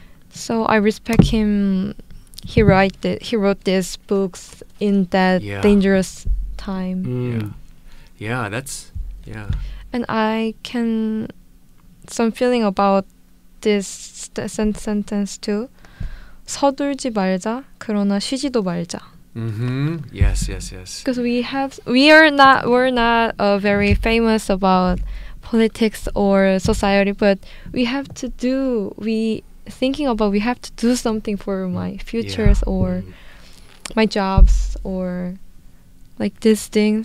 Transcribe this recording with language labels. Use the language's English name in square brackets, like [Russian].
[English] So I respect him. He wrote these books in that dangerous time. Mm. Yeah, that's And I can some feeling about this sentence too. [Korean] 서둘지 말자, 그러나 쉬지도 말자. [English] Mm-hmm. Yes. Because we're not very famous about politics or society, but we have to do something for my futures or my jobs or like this thing.